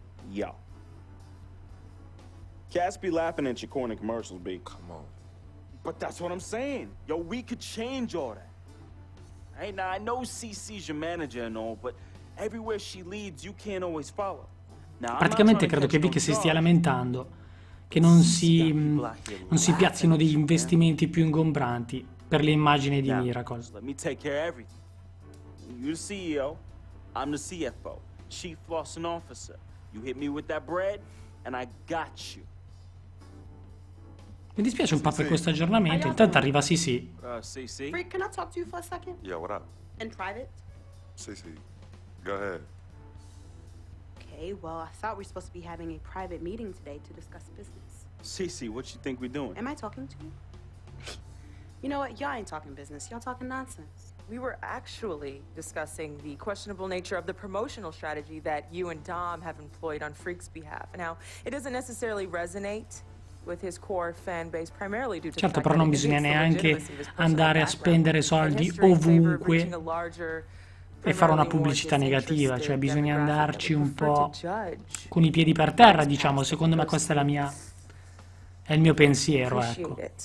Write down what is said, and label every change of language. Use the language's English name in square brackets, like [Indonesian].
[English] Yo. Cats be laughing at your corny commercials, B. Come on. But that's what I'm saying. Yo, we could change all that. Hey, now, I know CC's your manager and all, but everywhere she leads, you can't always follow. [Italian] Praticamente credo che Vic si stia lamentando che non si piazzino degli investimenti più ingombranti per l'immagine di Miracle. [English] Let me take care of everything. You're the CEO, I'm the CFO, Chief Flossing Officer. You hit me with that bread and I got you. [Italian] Mi dispiace un po' per questo aggiornamento, intanto arriva CC. [English] CC? Freak, can I talk to you for a second? Yeah, what up? In private? CC, go ahead. Okay, well, I thought we were supposed to be having a private meeting today to discuss business. Cece, what you think we're doing? Am I talking to you? You know what? Y'all ain't talking business. Y'all talking nonsense. We were actually discussing the questionable nature of the promotional strategy that you and Dom have employed on Freak's behalf. Now, it doesn't necessarily resonate with his core fan base, primarily due to [Italian] certo, però non bisogna neanche andare a spendere soldi ovunque e fare una pubblicità negativa, cioè bisogna andarci un po' con i piedi per terra, diciamo. Secondo me questa è la mia, è il mio pensiero, ecco.